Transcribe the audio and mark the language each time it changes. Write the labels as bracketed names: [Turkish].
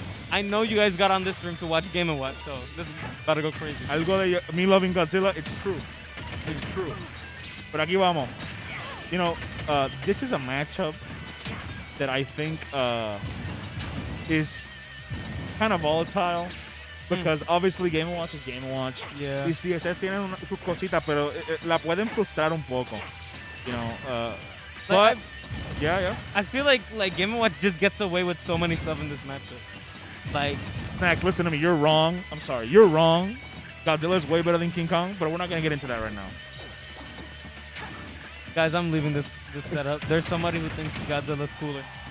[English] I know you guys got on this stream to watch Game & Watch, so this is about to go crazy. I'll go to me loving Godzilla. It's true. But [Spanish] aquí vamos. [English] You know, this is a matchup that I think is kind of volatile. Because obviously Game & Watch is Game & Watch. Yeah. [Spanish] Y CSS tienen sus cositas, pero la pueden frustrar un poco. [English] You know, I feel like Game & Watch just gets away with so many stuff in this matchup. Like, Max, listen to me. You're wrong. I'm sorry. You're wrong. Godzilla is way better than King Kong, but we're not going to get into that right now. Guys, I'm leaving this setup. There's somebody who thinks Godzilla's cooler.